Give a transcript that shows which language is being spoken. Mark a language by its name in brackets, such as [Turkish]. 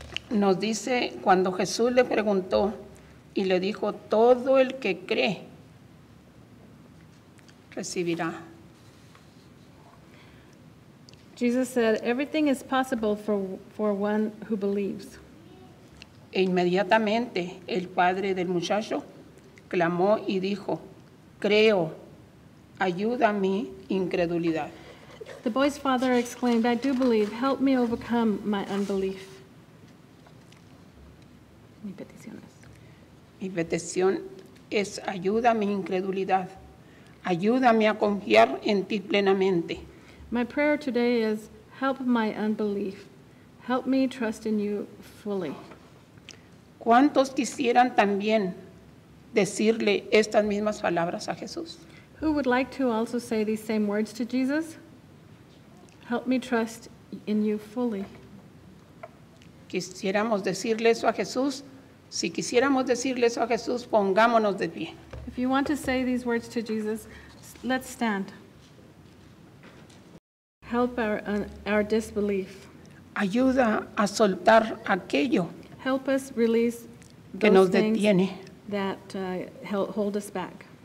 [Spanish] Nos dice cuando Jesús le preguntó y le dijo, todo el que cree recibirá. [English] Jesus said, everything is possible for one who believes. [Spanish] E inmediatamente el padre del muchacho clamó y dijo, creo, ayuda mi incredulidad. [English] The boy's father exclaimed, I do believe, help me overcome my unbelief. [Spanish] Mi petición es ayuda a mi incredulidad. Ayúdame a confiar en ti plenamente. [English] My prayer today is help my unbelief. Help me trust in you fully. [Spanish] ¿Cuántos quisieran también decirle estas mismas palabras a Jesús? [English] Who would like to also say these same words to Jesus? Help me trust in you fully. [Spanish] Quisiéramos decirle eso a Jesús. Si quisiéramos decirle eso a Jesús, pongámonos de pie. [English] If you want to say these words to Jesus, let's stand. Help our disbelief. [Spanish] Ayuda a soltar aquello. [English] Help us release [Spanish] que nos detiene. [English] That hold us back.